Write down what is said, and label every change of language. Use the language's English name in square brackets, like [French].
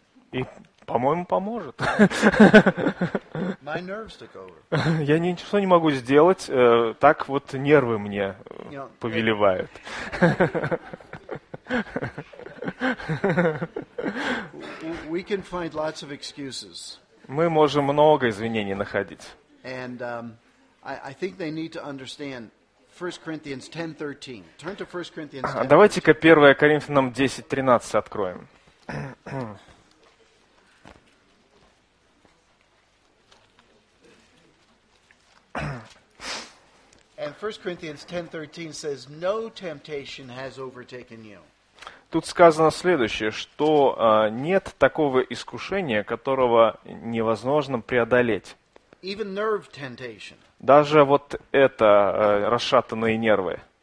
[Russian] И, по-моему, поможет. Я ничего не могу сделать, так вот нервы мне повелевают. [English] We can find lots of excuses. [Russian] Мы можем много извинений находить. [English] And I think they need to understand 1 Corinthians 10:13. Turn to 1 Corinthians 10. [Russian] Давайте-ка 1 Коринфянам 10:13 откроем. [English] And 1 Corinthians 10:13 says no temptation has overtaken you. [Russian] Тут сказано следующее, что нет такого искушения, которого невозможно преодолеть. [English] Even nerve temptation. [Russian] Даже вот это расшатанные нервы.